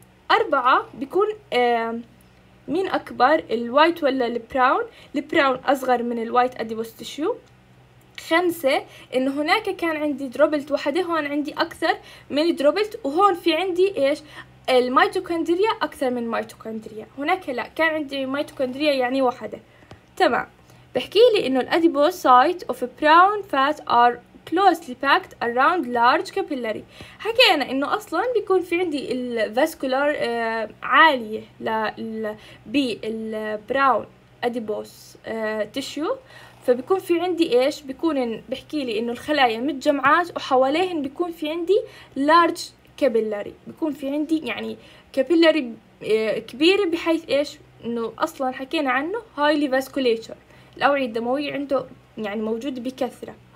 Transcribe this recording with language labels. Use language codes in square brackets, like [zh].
[ar] أربعة، بيكون مين أكبر، الوايت ولا البراون؟ البراون أصغر من الوايت أديبوس تيشو. خمسة، إنه هناك كان عندي دروبلت واحدة، هون عندي أكثر من دروبلت، وهون في عندي إيش الميتوكوندريا أكثر من ميتوكوندريا، هناك لا كان عندي ميتوكوندريا يعني واحدة، تمام. بحكي لي إنه الأديبوسايت [en] of brown fat are closely packed around large capillary. [ar] حكينا انه اصلا بيكون في عندي الفاسكولار عالية بالبراون اديبوس تيشو، فبيكون في عندي ايش؟ بيكون بحكي لي انه الخلايا متجمعات وحواليهن بيكون في عندي لارج كابيلاري، بيكون في عندي يعني كابيلاري كبيرة، بحيث ايش؟ انه اصلا حكينا عنه هايلي فاسكوليتور، الاوعية الدموية عنده يعني موجودة بكثرة.